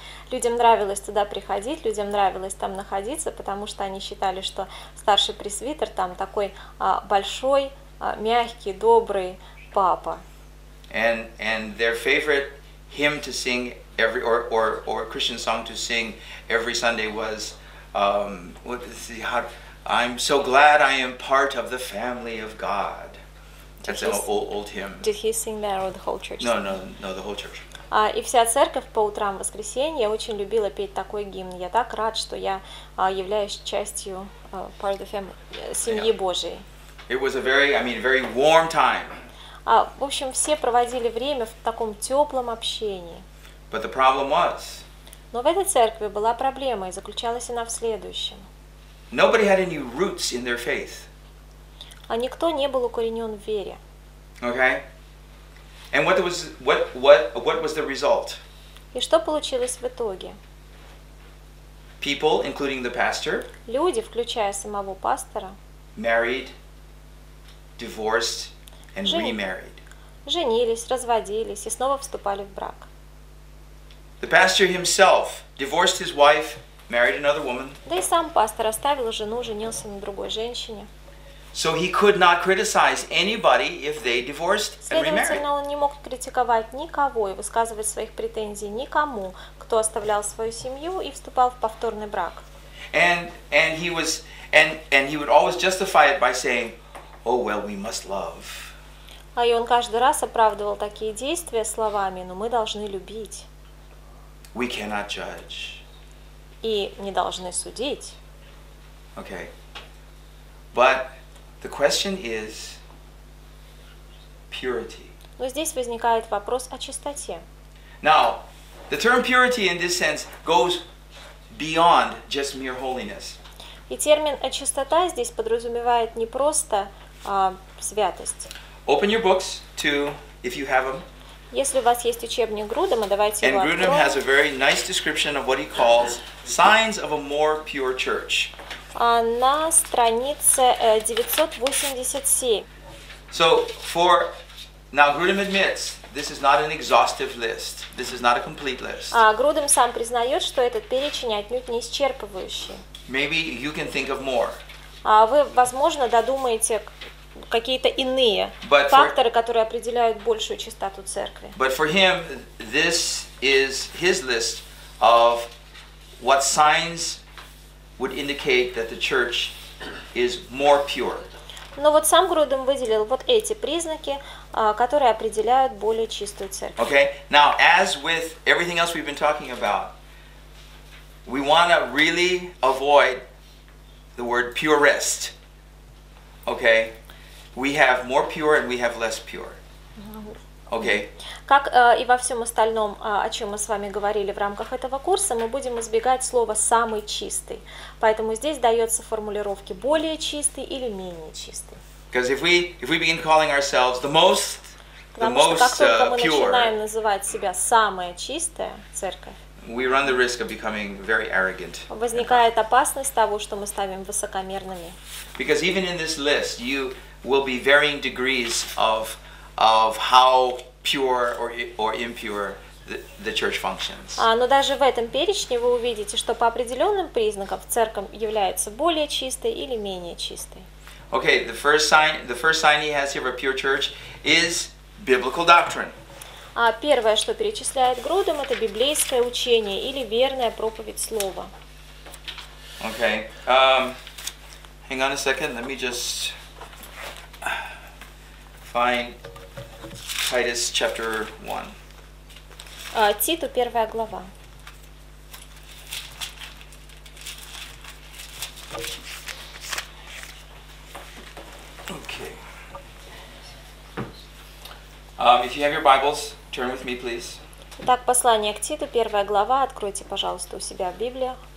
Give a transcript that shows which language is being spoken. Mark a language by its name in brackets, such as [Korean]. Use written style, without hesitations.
[Russian] Людям нравилось туда приходить, людям нравилось там находиться, потому что они считали, что старший пресвитер там такой большой, мягкий, добрый папа. [English] And their favorite hymn to sing every or Christian song to sing every Sunday was what is the I'm so glad I am part of the family of God. That's an old hymn. Did he sing that or the whole church? No, the whole church. [Russian] И вся церковь по утрам воскресенья очень любила петь такой гимн. Я так рад, что я являюсь частью [English] part of the family, [Russian] семьи yeah. Божией. [English] It was a very, very warm time. [Russian] В общем, все проводили время в таком теплом общении. [English] But the problem was. [Russian] Но в этой церкви была проблема, и заключалась она в следующем. [English] Nobody had any roots in their faith. [Russian] А никто не был укоренен в вере. [English] Okay. And what was the result? [Russian] И что получилось в итоге? [English] People, including the pastor. [Russian] Люди, включая самого пастора. [English] Married, divorced, and remarried. [Russian] Женились, разводились и снова вступали в брак. [English] The pastor himself divorced his wife, married another woman. [Russian] Да и сам пастор оставил жену, женился на другой женщине. [English] So he could not criticize anybody if they divorced and remarried. [Russian] Следовательно, он не мог критиковать никого и высказывать своих претензий никому, кто оставлял свою семью и вступал в повторный брак. [English] And he would always justify it by saying, "Oh well, we must love." [Russian] А и он каждый раз оправдывал такие действия словами: "Но мы должны любить." [English] We cannot judge. [Russian] И не должны судить. [English] Okay. But the question is purity. [Russian] Но здесь возникает вопрос о чистоте. [English] Now, the term purity in this sense goes beyond just mere holiness. [Russian] И термин «чистота» здесь подразумевает не просто святость. [English] Open your books to, if you have them. [Russian] Если у вас есть учебник Грудема, давайте его откроем. [English] And Grudem has a very nice description of what he calls signs of a more pure church. [Russian] На странице 987. [English] So for now, Grudem admits this is not an exhaustive list. This is not a complete list. [Russian] Грудем сам признает, что этот перечень отнюдь не исчерпывающий. [English] Maybe you can think of more. [Russian] Вы, возможно, додумаете какие-то иные факторы, которые определяют большую чистоту церкви. [English] But for him, this is his list of what signs would indicate that the church is more pure. [Russian] Но вот сам Грудем выделил вот эти признаки, которые определяют более чистую церковь. [English] Okay. Now, as with everything else we've been talking about, we want to really avoid the word purest. Okay? We have more pure and we have less pure. Okay. [Russian] Как и во всем остальном, о чем мы с вами говорили в рамках этого курса, мы будем избегать слова «самый чистый». Поэтому здесь дается формулировки «более чистый» или «менее чистый». [English] Because if we begin calling ourselves the most pure, [Russian] мы начинаем называть себя «самая чистая церковь», [English] we run the risk of becoming very arrogant. [Russian] Возникает опасность того, что мы ставим высокомерными. [English] Because even in this list, you will be varying degrees of how pure or impure the church functions. [Russian] Но даже в этом перечне вы увидите, что по определенным признакам церковь является более чистой или менее чистой. [English] Okay, the first sign he has here of a pure church is biblical doctrine. [Russian] Первое, что перечисляет Грудем, это библейское учение или верная проповедь слова. [English] Okay, hang on a second, let me just find Titus chapter 1. [Russian] Титу, первая глава. [English] Okay. If you have your Bibles, turn with me, please. [Russian] Итак, послание к Титу, первая глава. Откройте, пожалуйста, у себя в Библиях.